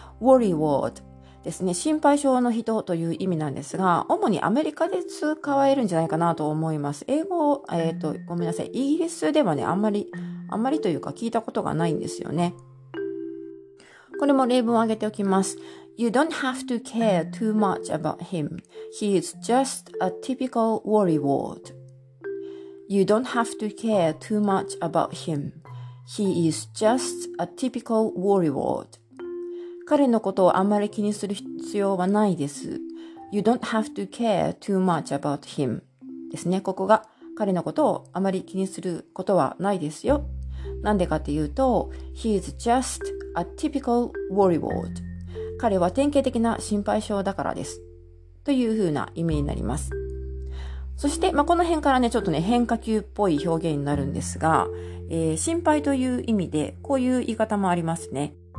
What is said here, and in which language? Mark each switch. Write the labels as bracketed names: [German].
[Japanese] worrywart ですね。心配性の人という意味なんですが、主にアメリカで使われるんじゃないかなと思います。英語、ごめんなさい。イギリスではね、あんまりというか聞いたことがないんですよね。これも例文を挙げておきます。 [English] You don't have to care too much about him. He is just a typical worrywart. You don't have to care too much about him. He is just a typical worrywart. [Japanese] 彼のことをあまり気にする必要はないです。 [English] You don't have to care too much about him. [Japanese] ですね。ここが彼のことをあまり気にすることはないですよ。なんでかっていうと、 [English] He is just a typical worrywart. [Japanese] 彼は典型的な心配性だからです。というふうな意味になります。そして、まあ、この辺からね、ちょっとね、変化球っぽい表現になるんですが、心配という意味で、こういう言い方もありますね。